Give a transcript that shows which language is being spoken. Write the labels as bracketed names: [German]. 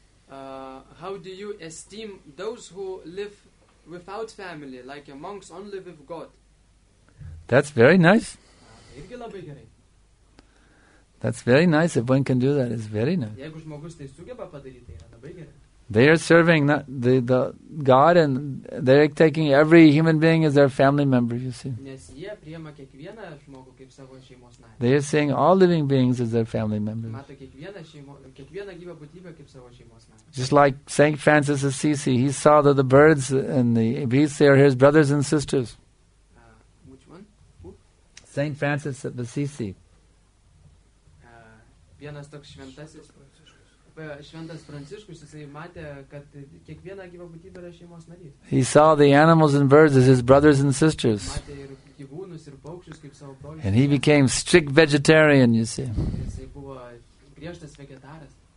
[English] How do you esteem those who live without family, like a monks only with God? That's very nice. [Lithuanian] Irgi labai gerai. [English] That's very nice. If one can do that, it's very nice. [Lithuanian] Jeigu žmogus tai sugeba padaryti, yra labai gerai. [English] They are serving the God, and they are taking every human being as their family member, you see. [Lithuanian] Nes jie priima kiekvieną žmogų kaip savo šeimos narį. [English] They are seeing all living beings as their family members. [Lithuanian] Mato kiekvieną gyvą būtybę kaip savo šeimos narį. [English] Just like Saint Francis Assisi, he saw that the birds and the beasts, they are his brothers and sisters. Which one? Who? Saint Francis of Assisi. [Lithuanian] Vienas toks šventasis. Šventas Pranciškus, jisai matė, kad kiekviena gyva būtybė yra šeimos narys. [English] He saw the animals and birds as his brothers and sisters. [Lithuanian] Matė ir gyvūnus ir paukščius kaip savo brolius. [English] And he became strict vegetarian, you see. [Lithuanian] Jisai buvo griežtas vegetaras.